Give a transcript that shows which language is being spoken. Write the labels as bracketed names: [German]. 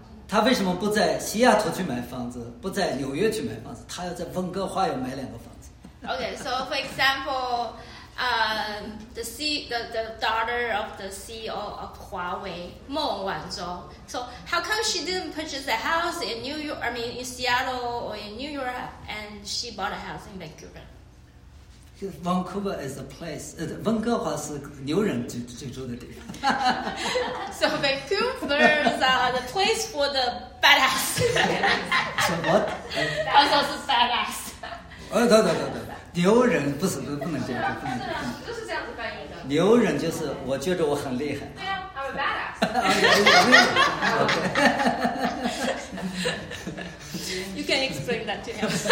[Chinese] 他为什么不在西雅图去买房子，不在纽约去买房子？他要在温哥华要买两个房子。 [English] Okay, so for example, the daughter of the CEO of Huawei, 孟晚舟. So how come she didn't purchase a house in New York? I mean, in Seattle or in New York, and she bought a house in Vancouver. Vancouver is a place. [Chinese] 温哥华是牛人居住的地方。 [English] So Vancouver is the place for the badass. So what? That's also badass. [Chinese] 对，牛人不能这样，都是这样子翻译的。牛人就是我觉得我很厉害。对啊 [English] ，I'm a badass. Okay. You can explain that to him.